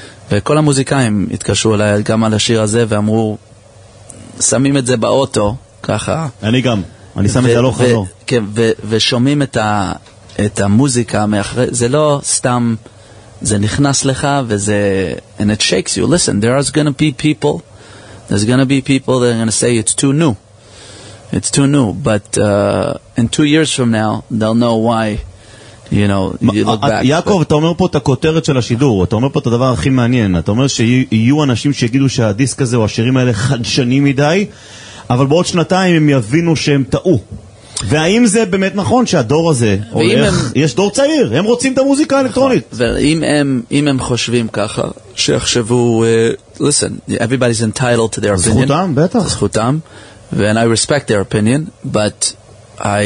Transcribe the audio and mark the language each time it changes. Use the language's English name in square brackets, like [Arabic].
[Hebrew] וכל המוזיקאים התקשרו אליי גם על השיר הזה ואמרו, שמים את זה באוטו, ככה. אני גם, אני שם את זה לא חזור. כן, ושומעים את, את המוזיקה מאחרי, זה לא סתם, זה נכנס לך וזה, [English] and it shakes you. Listen, there's gonna be people, there's gonna be people that are gonna say it's too new. It's too new, but in 2 years from now, they'll know why. You know, you look back, [Hebrew] יעקב, [English] but... [Hebrew] אתה אומר פה את הכותרת של השידור, אתה אומר פה את הדבר הכי מעניין, אתה אומר שיהיו אנשים שיגידו שהדיסק הזה או השירים האלה חדשני מדי, אבל בעוד שנתיים הם יבינו שהם טעו. והאם זה באמת נכון שהדור הזה הולך, הם... יש דור צעיר, הם רוצים את המוזיקה נכון. האלקטרונית. ואם הם, אם הם חושבים ככה, שיחשבו, [English] listen, everybody's entitled to their opinion. [Hebrew] זכותם, בטח. זכותם, [English] and I respect their opinion, but I...